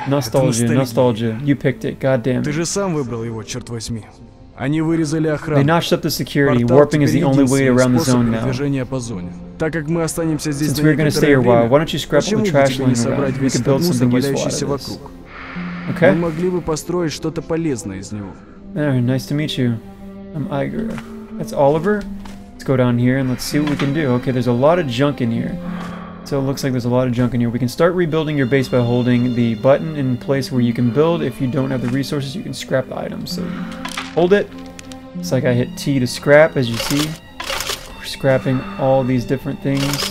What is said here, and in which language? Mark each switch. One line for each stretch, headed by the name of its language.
Russian: Ностальгия, ностальгия.
English: You picked it, goddammit.
Russian: Ты же сам выбрал его, черт возьми. Они вырезали охрану.
English: They notched up the security. Warping is the only way around the zone now.
Russian: Так как мы останемся здесь
English: Since we're gonna stay here a while, why don't you scrap all the trash lying around? We can build something useful out of this. Okay.
Russian: Мы могли бы построить что-то полезное из него.
English: Very nice to meet you. I'm Igor. That's Oliver? Go down here and let's see what we can do. Okay, there's a lot of junk in here. So it looks like there's a lot of junk in here. We can start rebuilding your base by holding the button in place where you can build. If you don't have the resources, you can scrap the items. So hold it. It's like I hit T to scrap, as you see. We're scrapping all these different things.